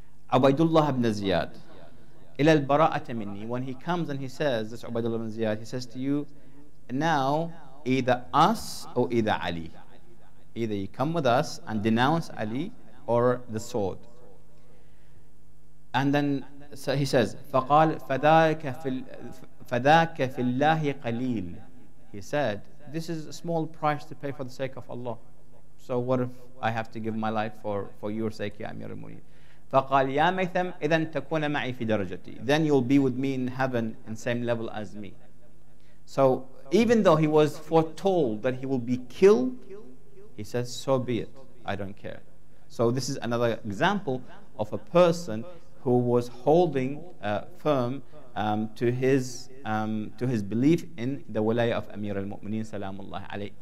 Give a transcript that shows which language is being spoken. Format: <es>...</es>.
<ar>Ubaydullah ibn Ziyad إلى البراءة مني.</ar> <en>When he comes and he says, this Ubaydullah ibn Ziyad, he says to you, now either us or either Ali. Either you come with us and denounce Ali or the sword. And then so he says,</en> <ar>فقال فذاك في فذاك في الله قليل.</ar> <en>He said, this is a small price to pay for the sake of Allah. So what if I have to give my life for your sake, ya Amir al-Mu'mineen?</en> <ar>فقال يا ميثم إذا تكون معي في درجتي.</ar> <en>Then you'll be with me in heaven in same level as me. So even though he was foretold that he will be killed, he says, so be it. I don't care. So this is another example of a person who was holding firm to his belief in the wilaya of Amir al-Mu'mineen salamullah alayhi.</en>